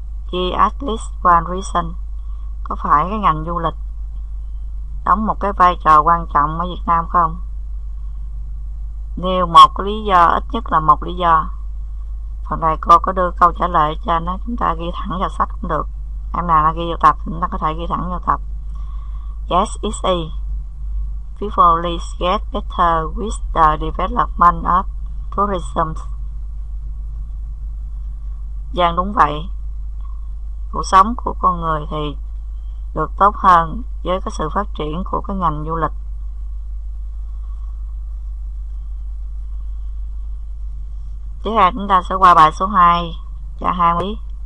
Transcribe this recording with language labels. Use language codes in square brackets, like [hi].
[en] Is at least one reason. [vi] Có phải cái ngành du lịch đóng một cái vai trò quan trọng ở Việt Nam không? Nêu một cái lý do, ít nhất là một lý do. Phần này cô có đưa câu trả lời cho nó, chúng ta ghi thẳng vào sách cũng được. Em nào nó ghi vào tập, chúng ta có thể ghi thẳng vào tập. [en] Yes, it's a. People get better with the development of tourism. [vi] Giang đúng vậy. Cuộc sống của con người thì được tốt hơn với cái sự phát triển của cái ngành du lịch. Tiếp theo chúng ta sẽ qua bài số 2, trang 20.